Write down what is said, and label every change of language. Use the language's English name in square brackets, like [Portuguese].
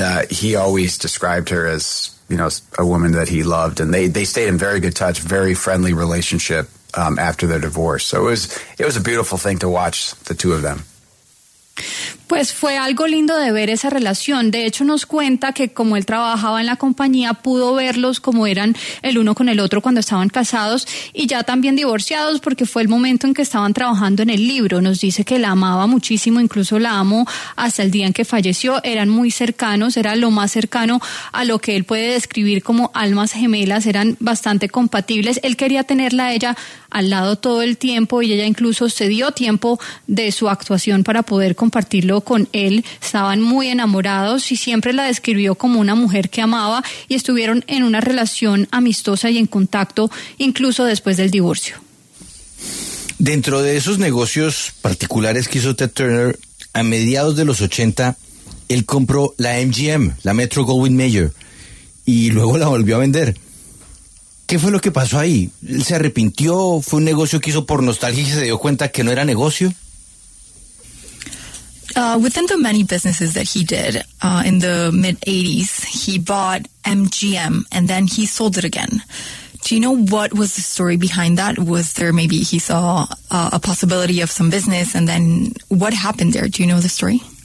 [English] He always described her as, you know, a woman that he loved. And they stayed in very good touch, very friendly relationship after their divorce. So it was a beautiful thing to watch the two of them. [Spanish] Pues fue algo lindo de ver esa relación. De hecho, nos cuenta que como él trabajaba en la compañía, pudo verlos como eran el uno con el otro cuando estaban casados y ya también divorciados, porque fue el momento en que estaban trabajando en el libro. Nos dice que la amaba muchísimo, incluso la amó hasta el día en que falleció. Eran muy cercanos, era lo más cercano a lo que él puede describir como almas gemelas. Eran bastante compatibles. Él quería tenerla a ella al lado todo el tiempo y ella incluso se dio tiempo de su actuación para poder compartirlo con él. Estaban muy enamorados y siempre la describió como una mujer que amaba y estuvieron en una relación amistosa y en contacto incluso después del divorcio. Dentro de esos negocios particulares que hizo Ted Turner a mediados de los 80, él compró la MGM, la Metro Goldwyn Mayer, y luego la volvió a vender. ¿Qué fue lo que pasó ahí? ¿Él se arrepintió? ¿Fue un negocio que hizo por nostalgia y se dio cuenta que no era negocio? [English] Within the many businesses that he did in the mid-80s, he bought MGM and then he sold it again. Do you know what was the story behind that? Was there maybe he saw a possibility of some business, and then what happened there? Do you know the story?